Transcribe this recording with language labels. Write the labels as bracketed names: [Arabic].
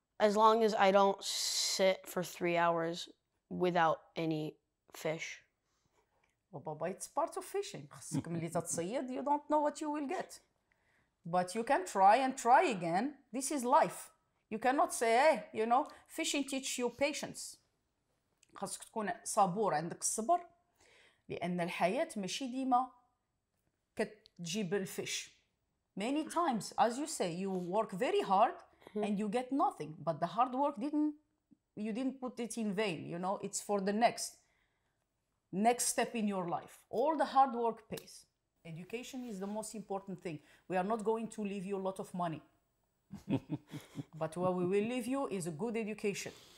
[English] As long as I don't sit for 3 hours without any fish. Baba, it's part of fishing. You don't know what you will get. But you can try and try again. This is life. You cannot say, hey, you know, fishing teaches you patience. [Arabic] خاصك تكون صبور عندك الصبر. لأن الحياة ماشي ديما كتجيب الفيش. [English] Many times, as you say, you work very hard and you get nothing. But the hard work you didn't put it in vain. You know, it's for the next. Next step in your life. All the hard work pays. Education is the most important thing. We are not going to leave you a lot of money. But what we will leave you is a good education.